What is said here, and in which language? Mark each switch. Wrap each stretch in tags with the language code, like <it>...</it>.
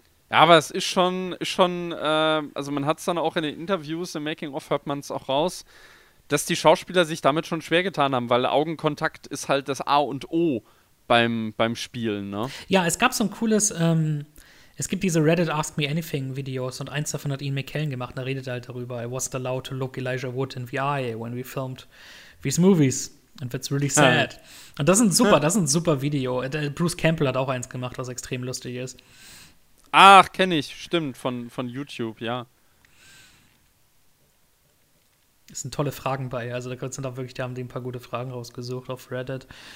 <de>Ja, aber es ist schon also man hat es dann auch in den Interviews, im Making-of hört man es auch raus, dass die Schauspieler sich damit schon schwer getan haben, weil Augenkontakt ist halt das A und O beim Spielen, ne? Ja, es gab so ein cooles, es gibt diese Reddit Ask Me Anything Videos und eins davon hat Ian McKellen gemacht und da redet er halt darüber.</de> <en>I wasn't allowed to look Elijah Wood in the eye when we filmed these movies. And that's really sad.</en> <de>Und das ist ein super, das ist ein super Video. Bruce Campbell hat auch eins gemacht, was extrem lustig ist. Ach, kenne ich, stimmt, von YouTube, ja. Es sind tolle Fragen bei, also da sind auch wirklich, da haben die ein paar gute Fragen rausgesucht auf Reddit.</de>